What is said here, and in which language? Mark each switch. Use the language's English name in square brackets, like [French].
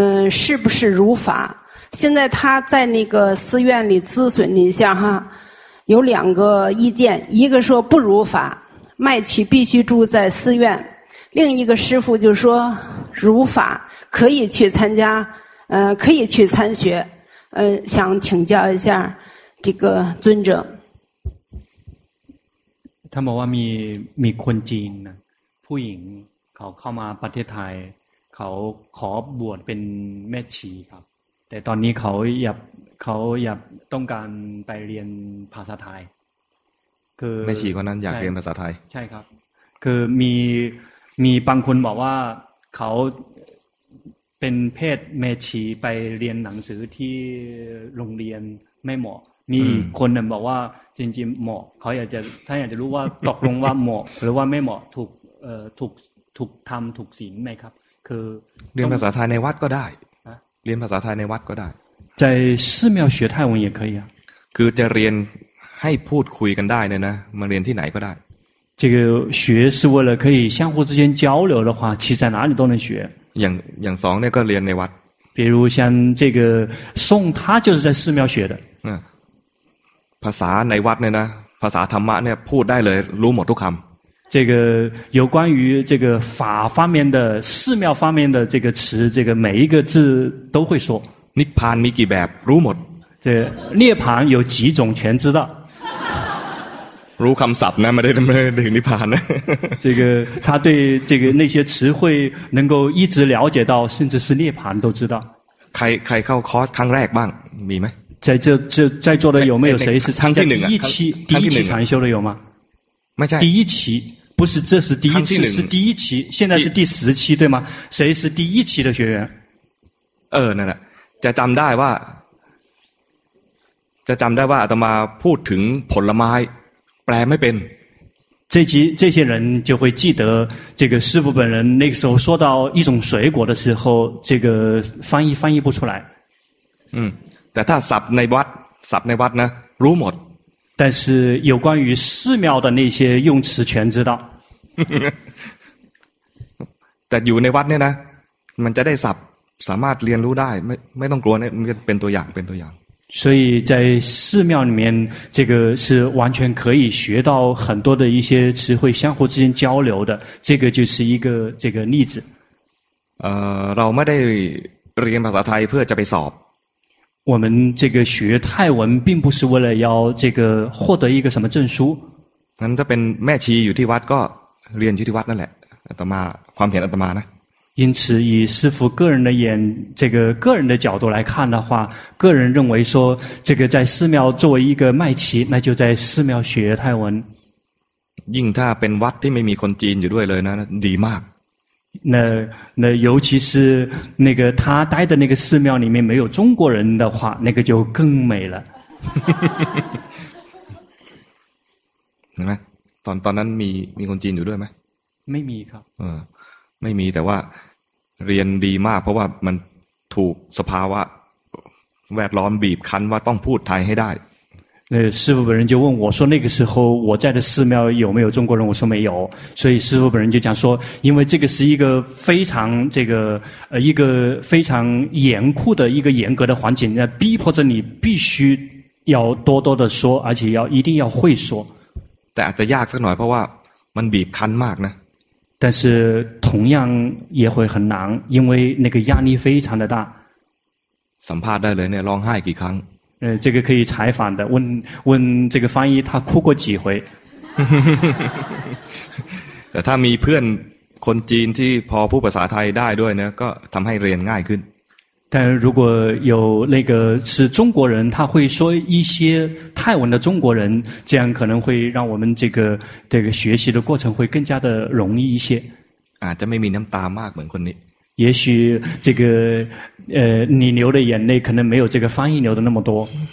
[Chinese] 是不是如法现在他在那个寺院里咨询了一下哈有两个意见一个说不如法麦乞必须住在寺院另一个师父就说如法可以去参加可以去参学想请教一下这个尊者他们说 [Thai] มีคนจีนผู้หญิงเขาเข้ามาประเทศไทยเขาขอบวชเป็นแม่ชีครับแต่ตอนนี้เขาอยากต้องการไปเรียนภาษาไทย คือแม่ชีคนนั้นอยากเรียนภาษาไทย ใช่ครับคือมีบางคนบอกว่าเขาเป็นเพศแม่ชีไปเรียนหนังสือที่โรงเรียนไม่เหมาะมีคนหนึ่งบอกว่าจริงๆเหมาะเขาอยากจะรู้ว่าตกลงว่าเหมาะหรือว่าไม่เหมาะถูกทำถูกศีลไหมครับ เรียนภาษาไทยในวัดก็ได้เรียนภาษาไทยในวัดก็ได้ [Chinese] 在寺庙学泰文也可以啊 [Thai] คือจะเรียนให้พูดคุยกันได้เนี่ยนะมาเรียนที่ไหนก็ได้ [Chinese] 这个学是为了可以相互之间交流的话其实在哪里都能学 [Thai] อย่างสองเนี่ยก็เรียนในวัด [Chinese] 比如像这个宋他就是在寺庙学的 [Thai] ภาษาในวัดเนี่ยนะภาษาธรรมะเนี่ยพูดได้เลยรู้หมดทุกคำ [Chinese] 这个有关于这个法方面的寺庙方面的这个词这个每一个字都会说 [Thai] นิพพานมีกี่แบบรู้หมด [Chinese] 这涅槃有几种全知道 [Thai] รู้คำศัพท์นะไม่ได้ถึงนิพพานนะ [Chinese] 这个他对这个那些词汇能够一直了解到甚至是涅槃都知道 [Thai] ใครเข้าคอร์สครั้งแรกบ้างมีไหม [Chinese] 在座的有没有谁是参加第一期禅修的有吗 [Thai] ไม่ใช่ [Chinese] 第一期不是这是第一次是第一期现在是第十期对吗谁是第一期的学员 [Thai] นั่นแหละจะจำได้ว่าอาตมาพูดถึงผลไม้แปลไม่เป็น [Chinese] 这些人就会记得这个师父本人那个时候说到一种水果的时候这个翻译不出来 [Thai] แต่ถ้าสับในวัดนะรู้หมด [Chinese] แต่是有关于寺庙的那些用词全知道 [Thai] แต่อยู่ในวัดเนี่ยนะมันจะได้ศัพท์สามารถเรียนรู้ได้ไม่ต้องกลัวเนี่ยเป็นตัวอย่าง [Chinese] 所以在寺庙里面这个是完全可以学到很多的一些词汇相互之间交流的这个就是一个这个例子 [Thai] เราไม่ได้เรียนภาษาไทยเพื่อจะไปสอบ [Chinese] 我们这个学泰文并不是为了要这个获得一个什么证书 [Thai] นั้นจะเป็นแม่ชีอยู่ที่วัดก็เรียนอยู่ที่วัดนั่นแหละอาตมาความเห็นอาตมานะ [Chinese] 因此以师父个人的眼这个个人的角度来看的话个人认为说这个在寺庙作为一个麦琪那就在寺庙学泰文硬他 [Thai] เป็นวัดที่ไม่มีคนจีนอยู่ด้วยเลยนะดีมาก [Chinese] 那尤其是那个他待的那个寺庙里面没有中国人的话那个就更美了 [Thai] เห็นไหมตอนนั้นมีคนจีนอยู่ด้วยไหม ไม่มีครับ ไม่มีแต่ว่าเรียนดีมากเพราะว่ามันถูกสภาวะแวดล้อมบีบคั้นว่าต้องพูดไทยให้ได้ [Chinese] 师父本人就问我说那个时候我在的寺庙有没有中国人我说没有所以师父本人就讲说因为这个是一个非常这个一个非常严酷的一个严格的环境那逼迫着你必须要多多的说而且要一定要会说 [Thai] แต่อาจจะยากสักหน่อยเพราะว่ามันบีบคั้นมากนะ [Chinese] 但是同样也会很难因为那个压力非常的大 [Thai] สัมภาษณ์ได้เลยเนี่ยร้องไห้กี่ครั้ง [Chinese] 这个可以采访的问这个翻译他哭过几回 [Thai] แต่ถ้ามีเพื่อนคนจีนที่พอพูดภาษาไทยได้ด้วยเนี่ยก็ทำให้เรียนง่ายขึ้น [Chinese] 但如果有那个是中国人他会说一些泰文的中国人这样可能会让我们这个学习的过程会更加的容易一些 [Thai] อาจจะไม่มีน้ำตามากเหมือนคนนี้ [Chinese] 也许这个你流的眼泪可能没有这个翻译流的那么多